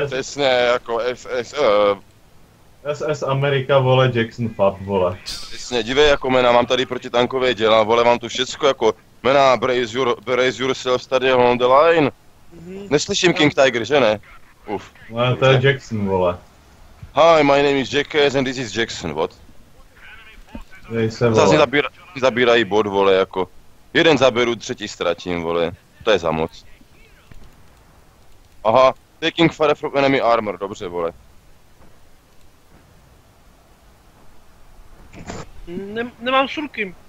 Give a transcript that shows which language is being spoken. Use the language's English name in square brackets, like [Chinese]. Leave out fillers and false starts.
[Czech] No, přesně, jako SS... SS Amerika, vole, Jackson Fab, vole. Přesně, dívej, jako jména, mám tady protitankové děla, vole, mám tu všecko, jako... Jména, [English] brace yourself [Czech] tady [English] on the line. [Czech] Neslyším King Tiger, že ne? Uf. No, to je Jackson, vole. [English] Hi, my name is Jackass and this is Jackson, what? [Czech] Dej se, vole. Zase zabírají bod, vole, jako. Jeden zaberu, třetí ztratím, vole. To je za moc. Aha, [English] taking fire from enemy armor, [Czech] dobře, vole. Nemám surky.